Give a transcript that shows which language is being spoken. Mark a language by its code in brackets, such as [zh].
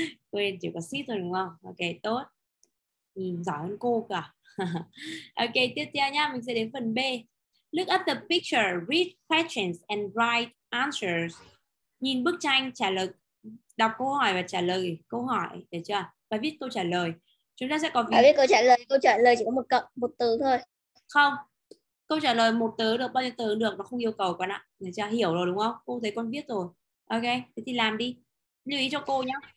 [vi] Quên, chỉ có sheet thôi đúng không? Ok, tốt. Nhìn giỏi hơn cô cả. Ok, tiếp theo nha, mình sẽ đến phần B. [en] Look at the picture, read questions and write answers. [vi] Nhìn bức tranh, trả lời, đọc câu hỏi và trả lời câu hỏi, được chưa? Và viết câu trả lời. Chúng ta sẽ có... Và viết câu trả lời, chỉ có một cộng, một từ thôi. Không, câu trả lời một từ được, bao nhiêu từ được, nó không yêu cầu con ạ. Được chưa? Hiểu rồi đúng không? Cô thấy con viết rồi. Ok, thế thì làm đi. Lưu ý cho cô nhé.